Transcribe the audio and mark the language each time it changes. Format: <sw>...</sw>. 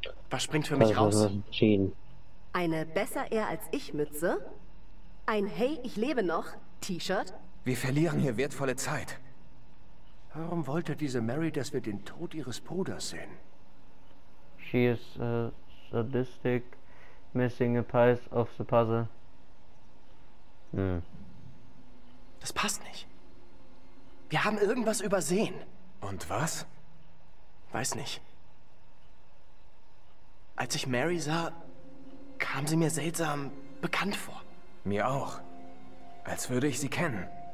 <de>Was springt für mich raus? Eine besser er als ich Mütze? Ein Hey, ich lebe noch T-Shirt? Wir verlieren hier wertvolle Zeit. Warum wollte diese Mary, dass wir den Tod ihres Bruders sehen?</de> <en>She is sadistic, missing a piece of the puzzle.</en> <de>Das passt nicht. Wir haben irgendwas übersehen. Und was? Weiß nicht. Als ich Mary sah, kam sie mir seltsam bekannt vor. Mir auch. Als würde ich sie kennen.</de>